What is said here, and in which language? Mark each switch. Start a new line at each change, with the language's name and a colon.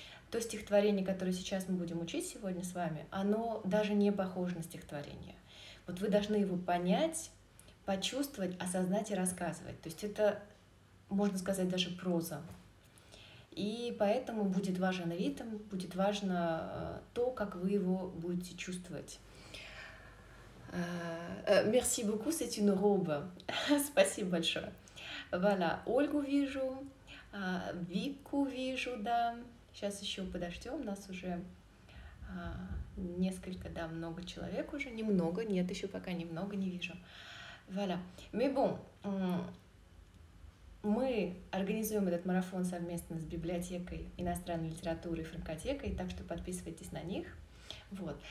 Russian: То стихотворение, которое сейчас мы будем учить сегодня с вами, оно даже не похоже на стихотворение. Вот вы должны его понять, почувствовать, осознать и рассказывать. То есть это, можно сказать, даже проза. И поэтому будет важен ритм, будет важно то, как вы его будете чувствовать.
French: Merci beaucoup, c'est une robe.
Russian: Спасибо большое. Voilà, Ольгу вижу, Вику вижу, да. Сейчас еще подождем, у нас уже несколько, да, много человек уже. Немного, нет, еще пока немного не вижу.
French: Voilà. Mais bon,
Russian: мы организуем этот марафон совместно с библиотекой иностранной литературы и франкотекой, так что подписывайтесь на них. Вот.